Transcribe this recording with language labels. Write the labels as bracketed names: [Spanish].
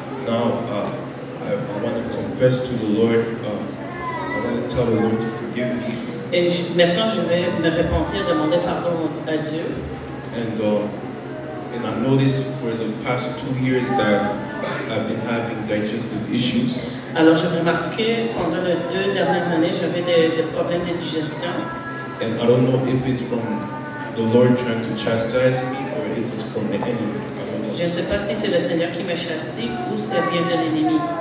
[English] Now I want to confess to the Lord. I want to tell the Lord to forgive me. [French] Et maintenant, je vais me repentir, demander pardon à Dieu. [English] And I noticed for the past 2 years that I've been having digestive issues. [French] Alors, j'ai remarqué pendant les 2 dernières années, j'avais des problèmes de digestion. [English] And I don't know if it's from the Lord trying to chastise me or if it's from the enemy. [French] Je ne sais pas si c'est le Seigneur qui me châtie ou ça vient de l'ennemi.